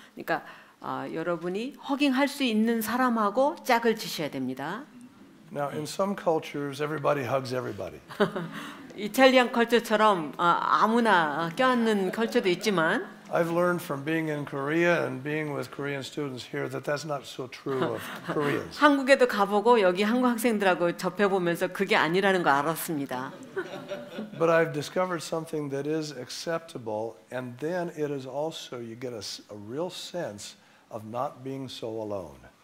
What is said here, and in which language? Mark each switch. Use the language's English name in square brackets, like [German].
[Korean] 그러니까 여러분이 허깅할 수 있는 사람하고 짝을 지셔야 됩니다. [English] Now in some cultures, everybody hugs everybody. [Korean] 이탈리안 컬처처럼 아무나 껴안는 컬처도 있지만. [English] I've learned from being in Korea and being with Korean students here that that's not so true of Koreans. [Korean] 한국에도 가보고 여기 한국 학생들하고 접해보면서 그게 아니라는 거 알았습니다. [English] But I've discovered something that is acceptable, and then it is also you get a real sense of not being so alone.